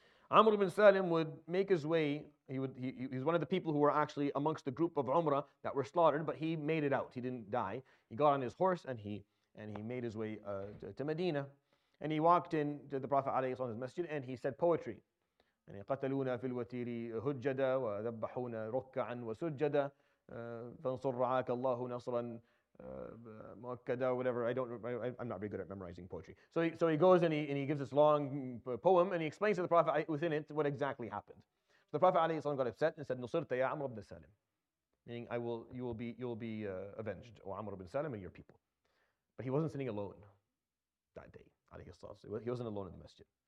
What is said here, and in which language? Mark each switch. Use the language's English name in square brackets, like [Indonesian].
[English] Amr ibn Salim would make his way, he's one of the people who were actually amongst the group of Umrah that were slaughtered, but he made it out. He didn't die. He got on his horse and he made his way to Medina. And he walked in to the Prophet alayhi salam's masjid and he said poetry. [Arabic] And قَتَلُونَ فِي الْوَتِيرِ هُجَّدَ وَذَبَّحُونَ رُكَّعًا وَسُجَّدَ فَانْصُرْ رَعَاكَ اللَّهُ نَصْرًا مُؤَكَّدًا, [English] whatever. I'm not very good at memorizing poetry. So he goes and he gives this long poem and he explains to the Prophet within it what exactly happened. So the Prophet ﷺ got upset and said, [Arabic] نُصِرْتَ يَا عَمْرُ بْنِ سَلِمْ, [English] meaning you will be avenged, O Amr ibn Salim, and your people. But he wasn't sitting alone that day. He wasn't alone in the masjid.